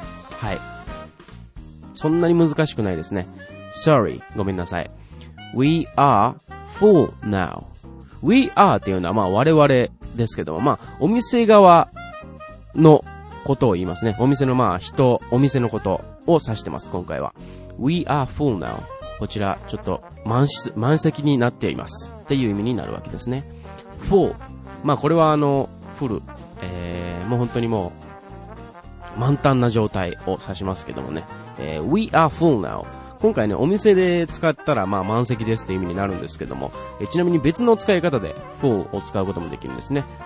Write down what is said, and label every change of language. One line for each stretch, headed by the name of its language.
Japanese: はい、そんなに難しくないですね。Sorry, ごめんなさい。
English: We are full now. We are
Japanese: っていうのは、まあ我々ですけども、まあお店側のことを言いますね。お店のまあ人、お店のことを指してます。今回は
English: We are full now。
Japanese: こちらちょっと満席になっていますっていう意味になるわけですね。 Full、 まあこれはfull、もう本当にもう満タンな状態を指しますけどもね、
English: We are full now。
Japanese: 今回ね、お店で使ったらまあ満席ですという意味になるんですけども、ちなみに別の使い方で full を使うこともできるんですね。